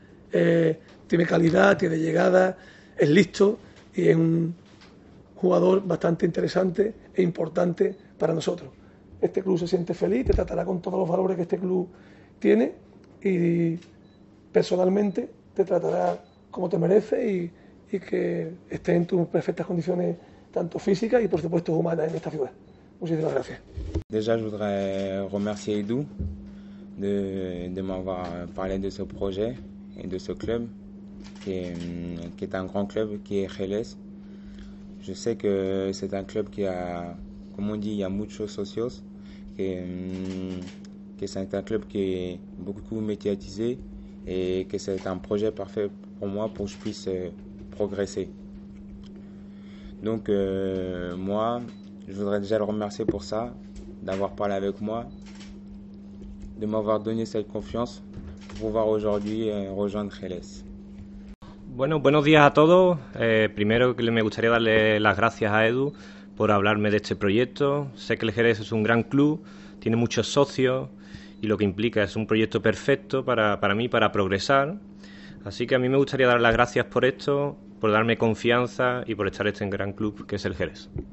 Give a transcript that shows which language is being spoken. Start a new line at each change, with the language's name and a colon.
Spanish: Tiene calidad, tiene llegada, es listo y es un jugador bastante interesante e importante para nosotros. Este club se siente feliz, te tratará con todos los valores que este club tiene y personalmente te tratará como te merece y que estés en tus perfectas condiciones, tanto físicas y por supuesto humanas, en esta ciudad. Muchísimas gracias.
French: Déjà, je voudrais remercier Edu de m'avoir parlé de ce projet et de ce club qui est un grand club qui est Xélez. Je sais que c'est un club qui a, comme on dit, il y a
Spanish: muchos socios,
French: que c'est un club qui est beaucoup médiatisé et que c'est un projet parfait pour moi pour que je puisse progresser. Donc, moi, je voudrais déjà le remercier pour ça. D'avoir parlé avec moi, de m'avoir donné cette confiance pour pouvoir aujourd'hui rejoindre Xélez.
Spanish: Bueno, buenos días a todos. Primero que me gustaría darle las gracias a Edu por hablarme de este proyecto. Sé que el Jerez es un gran club, tiene muchos socios y lo que implica es un proyecto perfecto para mí para progresar. Así que a mí me gustaría dar las gracias por esto, por darme confianza y por estar en este gran club que es el Jerez.